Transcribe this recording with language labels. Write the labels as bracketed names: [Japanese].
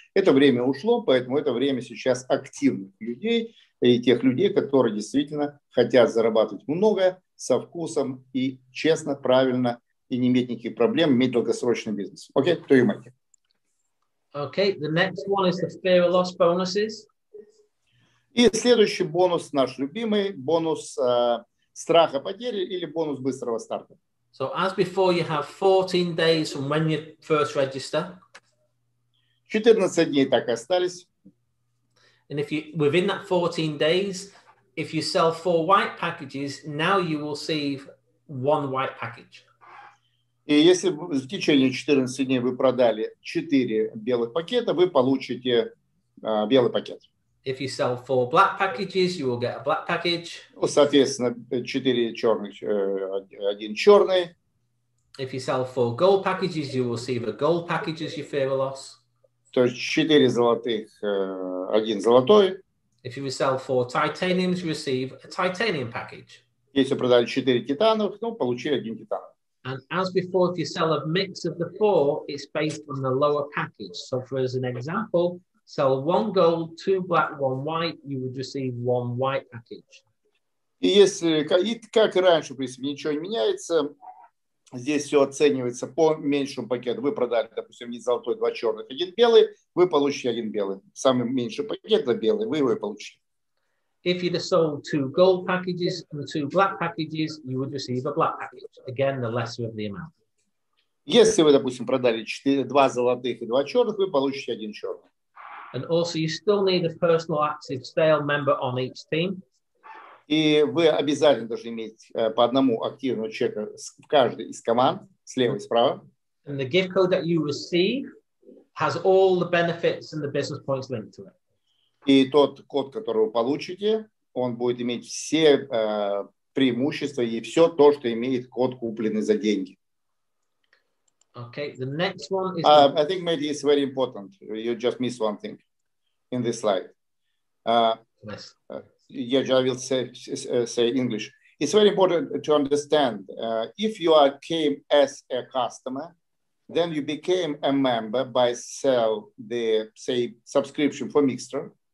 [Russian] Это время ушло, поэтому это время сейчас активных людей и тех людей, которые действительно хотят зарабатывать многое, со вкусом и честно, правильно, и не иметь никаких проблем, иметь долгосрочный бизнес. Окей, кто имеет? [English] Окей, the next one is the fear of loss bonuses. [Russian] И следующий бонус, наш любимый, бонус страха потери или бонус быстрого старта. [English] So as before, you have 14 days from when you first register. [Russian] 14 дней так и остались. [English] And if you, within that 14 days, if you sell 4 white packages, now you will receive 1 white package. [Russian] И если в течение 14 дней вы продали 4 белых пакета, вы получите белый пакет. [English] If you sell 4 black packages, you will get a black package. [Russian] Соответственно, 4 черных, 1 черный. [English] If you sell 4 gold packages, you will receive a gold package as your fair loss. [Russian] То есть 4 золотых, 1 золотой. [English] If you sell 4 titaniums, you receive a titanium package. [Russian] Если продали 4 титановых, ну, получили 1 титан. [English] And as before, if you sell a mix of the 4, it's based on the lower package. So for as an example, sell 1 gold, 2 black, 1 white, you would receive 1 white package. [Russian] И если, как и раньше, в принципе, ничего не меняется, здесь все оценивается по меньшему пакету. Вы продали, допустим, не золотой, 2 черных, 1 белый, вы получите 1 белый. Самый меньший пакет – это белый, вы его и получите. [English] If you'd have sold 2 gold packages and 2 black packages, you would receive a black package. Again, the lesser of the amount. [Russian] Если вы, допустим, продали 2 золотых и 2 черных, вы получите 1 черный. [English] And also, you still need a personal active sale member on each team. [Russian] И вы обязательно должны иметь по одному активному чека в каждой из команд, слева и справа. [English] And the gift code that you receive has all the benefits and the business points linked to it. [Russian] И тот код, который вы получите, он будет иметь все преимущества и все то, что имеет код, купленный за деньги. [English] Okay, the next one is... I think, Mehdi, it's very important. You just missed one thing in this slide. Yes. Yeah, I will say English. It's very important to understand. If you came as a customer, then you became a member by sell the, say, subscription for Mixer.